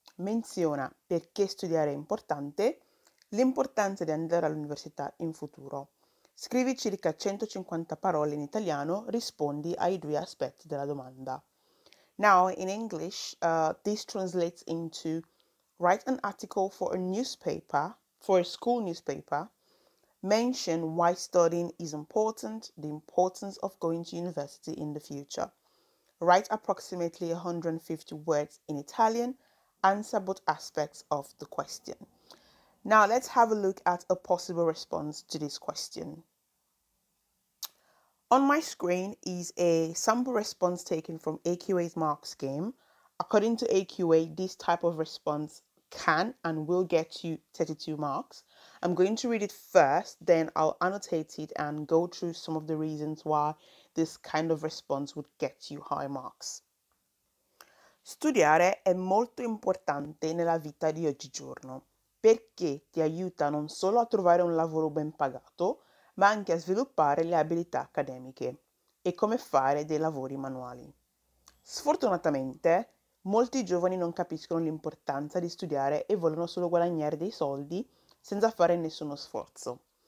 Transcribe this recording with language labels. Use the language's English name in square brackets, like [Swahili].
[Italian] Menziona perché studiare è importante, l'importanza di andare all'università in futuro. Scrivi circa 150 parole in italiano, rispondi ai due aspetti della domanda. [English] Now, in English, this translates into write an article for a newspaper, for a school newspaper, mention why studying is important, the importance of going to university in the future. Write approximately 150 words in Italian, answer both aspects of the question. Now, let's have a look at a possible response to this question. On my screen is a sample response taken from AQA's marks game. According to AQA, this type of response can and will get you 32 marks. I'm going to read it first, then I'll annotate it and go through some of the reasons why this kind of response would get you high marks. [Italian] Studiare è molto importante nella vita di oggigiorno perché ti aiuta non solo a trovare un lavoro ben pagato, ma anche a sviluppare le abilità accademiche e come fare dei lavori manuali. Sfortunatamente, molti giovani non capiscono l'importanza di studiare e vogliono solo guadagnare dei soldi senza fare nessuno sforzo.